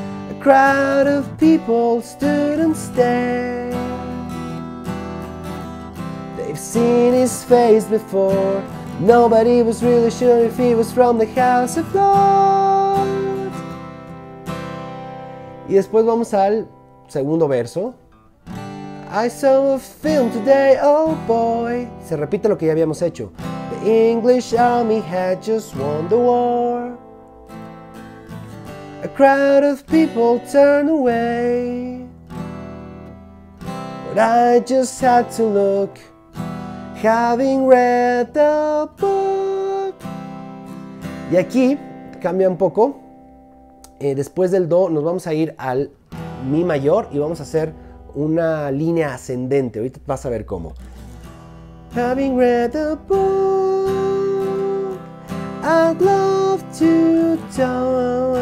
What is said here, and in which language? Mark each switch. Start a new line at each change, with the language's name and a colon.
English: A crowd of people stood and stared. They've seen his face before. Nobody was really sure if he was from the House of Lords.
Spanish: Y después vamos al segundo verso.
English: I saw a film today, oh boy.
Spanish: Se repite lo que ya habíamos hecho.
English: The English army had just won the war. A crowd of people turned away, but I just had to look. Having read the book.
Spanish: Y aquí cambia un poco. Después del do nos vamos a ir al mi mayor y vamos a hacer una línea ascendente. Ahorita vas a ver cómo.
English: Having read the book, I'd love to tell.